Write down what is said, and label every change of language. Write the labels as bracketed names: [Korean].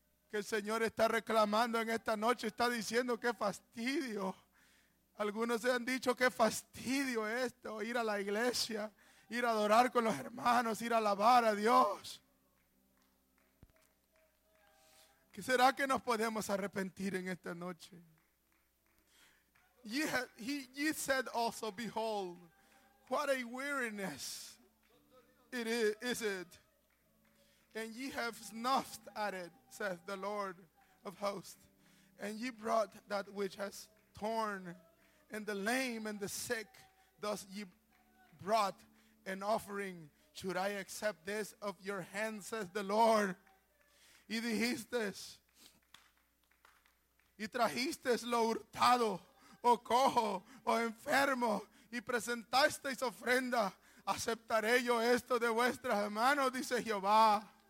[Spanish] Que el Señor está reclamando en esta noche, está diciendo qué fastidio. Algunos se han dicho qué fastidio esto, ir a la iglesia. Ir a adorar con los hermanos, ir a alabar a Dios. ¿Qué será que nos podemos arrepentir en esta noche? [English] Ye said also, behold, what a weariness is it. And ye have snuffed at it, saith the Lord of hosts. And ye brought that which has torn, and the lame and the sick, thus ye brought an offering, should I accept this of your hands, says the Lord. [Spanish] Y dijiste, y trajiste lo hurtado, o cojo, o enfermo, y presentasteis ofrenda, aceptaré yo esto de vuestras manos, dice Jehová.